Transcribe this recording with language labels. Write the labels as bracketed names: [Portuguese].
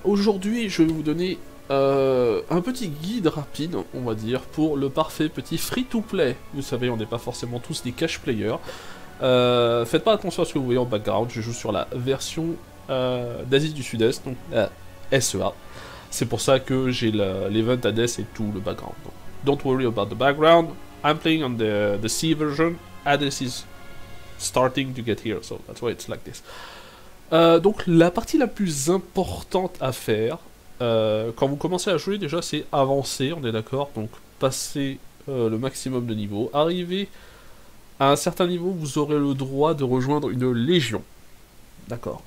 [French] Aujourd'hui, je vais vous donner un petit guide rapide, on va dire, pour le parfait petit free-to-play. Vous savez, on n'est pas forcément tous des cash players. Faites pas attention à ce que vous voyez en background. Je joue sur la version d'Asie du Sud-Est, donc SEA. C'est pour ça que j'ai l'event Hades et tout le background. [English] Donc, don't worry about the background. I'm playing on the C version. Hades is starting to get here, so that's why it's like this. [French] Donc la partie la plus importante à faire quand vous commencez à jouer, déjà, c'est avancer, on est d'accord, donc passer le maximum de niveaux. Arriver à un certain niveau, vous aurez le droit de rejoindre une légion, d'accord.